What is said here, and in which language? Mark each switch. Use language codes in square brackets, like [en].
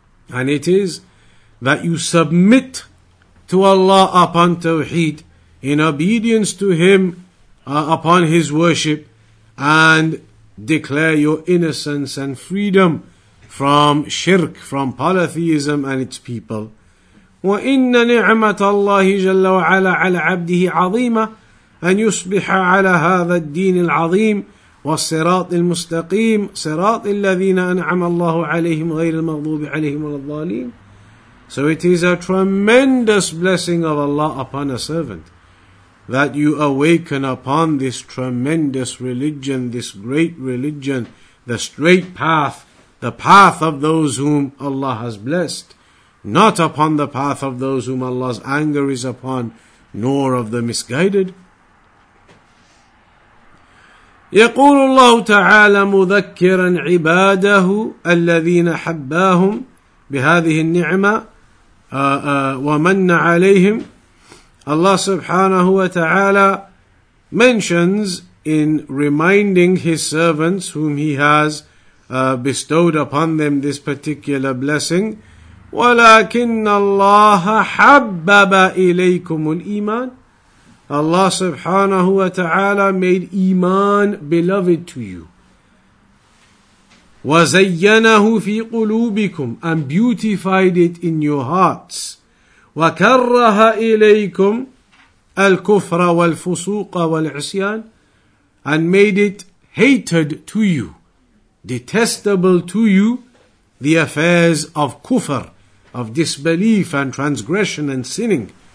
[en] And it is that you submit to Allah upon Tawheed, in obedience to Him, upon His worship, and declare your innocence and freedom from shirk, from polytheism and its people. [ar] وَإِنَّ نِعْمَةَ اللَّهِ جَلَّ وَعَلَى عَلَى عَبْدِهِ عَظِيمًا أن يصبح على هذا الدين العظيم والصراط المستقيم صراط الذين أنعم الله عليهم غير المغضوب عليهم ولا الضالين. [en] So it is a tremendous blessing of Allah upon a servant that you awaken upon this tremendous religion, this great religion, the straight path, the path of those whom Allah has blessed, not upon the path of those whom Allah's anger is upon, nor of the misguided. [ar] يقول الله تعالى مذكرا عباده الذين حباهم بهذه النعمة ومن عليهم. [en] Allah subhanahu wa ta'ala mentions in reminding His servants whom He has bestowed upon them this particular blessing. [ar] ولكن الله حبب إليكم الإيمان. [en] Allah subhanahu wa ta'ala made iman beloved to you. [ar] وَزَيَّنَهُ فِي قُلُوبِكُمْ [en] and beautified it in your hearts. [ar] وَكَرَّهَ إِلَيْكُمْ الْكُفْرَ وَالْفُسُوقَ وَالْعِصْيَانَ [en] and made it hated to you, detestable to you, the affairs of kufr, of disbelief and transgression and sinning.